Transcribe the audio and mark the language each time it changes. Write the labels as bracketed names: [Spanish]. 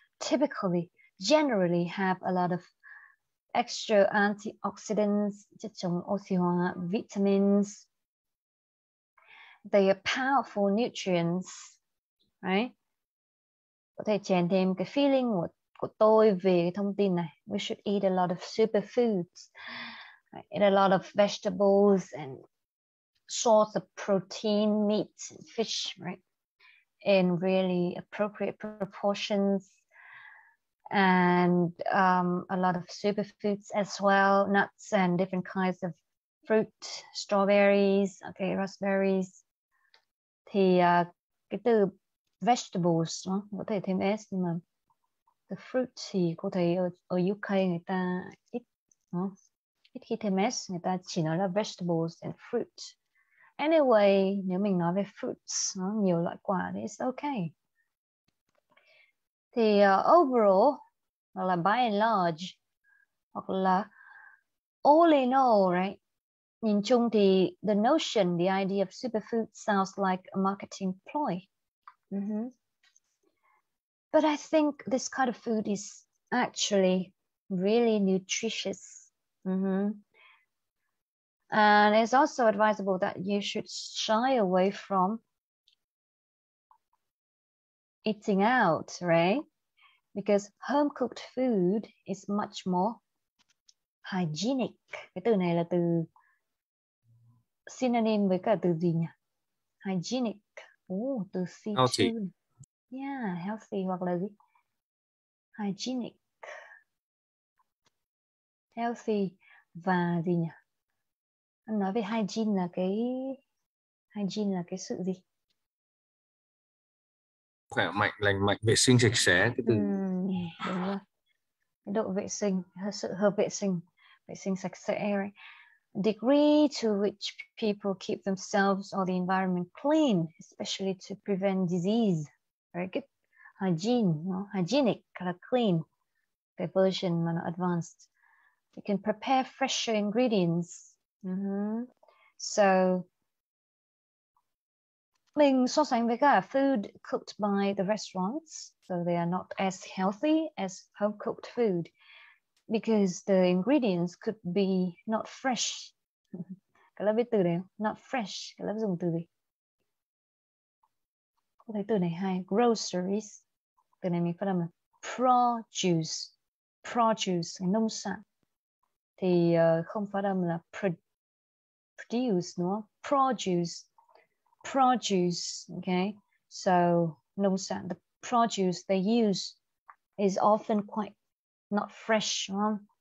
[English] Typically, generally have a lot of extra antioxidants, [Vietnamese] chất chống oxy hóa, [English] vitamins. They are powerful nutrients. Right? [Vietnamese] Có thể chèn thêm cái feeling của tôi về thông tin này. [English] We should eat a lot of superfoods, eat a lot of vegetables and source of protein, meat, fish, right? In really appropriate proportions, and a lot of superfoods as well, nuts and different kinds of fruit, strawberries, okay, raspberries. [Vietnamese] Thì cái từ vegetables có thể thêm s nhưng mà the fruit thì cô thấy ở UK người ta ít khi thêm s, người ta chỉ nói là vegetables and fruit. Anyway, nếu mình nói về fruits, nhiều loại quả thì it's okay. [English] Thì overall hoặc là by and large hoặc là all in all, right? [Vietnamese] Nhìn chung thì [English] the notion, the idea of superfood sounds like a marketing ploy. But I think this kind of food is actually really nutritious. And it's also advisable that you should shy away from eating out, right? Because home-cooked food is much more hygienic. [Vietnamese] Cái từ này là từ synonym với cả từ gì nhỉ? Hygienic. Ooh, từ si chư. Yeah, healthy hoặc là gì? Hygienic. Healthy và gì nhỉ? Anh nói về hygiene là cái sự gì? Khỏe mạnh, lành mạnh, vệ sinh sạch sẽ cái từ. Đúng rồi. Độ vệ sinh, sự hợp vệ sinh sạch sẽ. [English] Right? Degree to which people keep themselves or the environment clean, especially to prevent disease. Very good. Hygiene, no? Hygienic, kind of clean. The version, not advanced. You can prepare fresher ingredients. So, [Vietnamese] mình so sánh với cả [English] food cooked by the restaurants, so they are not as healthy as home-cooked food because the ingredients could be not fresh. [Vietnamese] Cái lớp biết từ đấy, not fresh, cái lớp dùng từ gì? Tôi thấy từ này hay. Groceries. Từ này mình phát âm là produce. Produce, nông sản. Thì không phát âm là produce, đúng không? [English] Produce. Produce, okay? [Vietnamese] So, nông sản. [English] The produce they use is often quite not fresh, huh?